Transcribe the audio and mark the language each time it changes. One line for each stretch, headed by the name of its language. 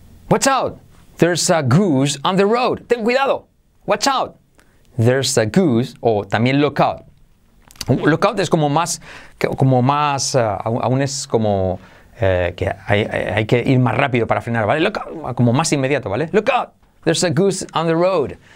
English: Watch out, there's a goose on the road.
Spanish: Ten cuidado,
English: watch out. There's a goose,
Spanish: o también
English: look out.
Spanish: Look out es como más, aún es como que hay que ir más rápido para frenar, ¿vale? Look out, como más inmediato, ¿vale?
English: Look out, there's a goose on the road.